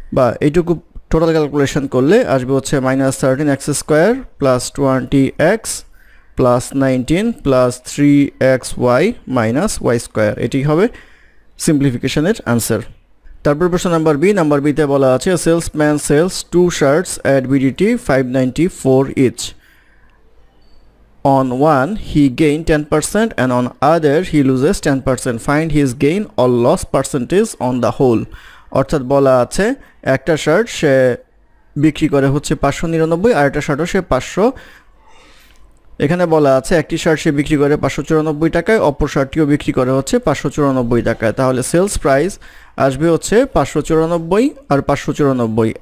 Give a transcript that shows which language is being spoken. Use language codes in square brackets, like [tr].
[bn] বা এইটুকু total calculation করলে আসবে হচ্ছে -13x² + (20x) + (19) + (3xy) - (y² এটি হবে সিম্পলিফিকেশনের আনসার। তারপর প্রশ্ন নাম্বার বি। নাম্বার বিতে বলা আছে [en] Salesman sells two shirts at BDT 594 each. On one, he gained 10% and on other, he loses 10%. Find his gain or loss percentage on the whole. [bn] অর্থাৎ বলা আছে একটা শার্ট সে বিক্রি করে হচ্ছে 599, আর একটা শার্টও সে 500। এখানে বলা আছে একটি শার্ট সে বিক্রি করে 594 টাকায়, অপর শার্টটিও বিক্রি করে হচ্ছে 594 টাকায়। তাহলে সেলস প্রাইস আসবে হচ্ছে 594 আর 594।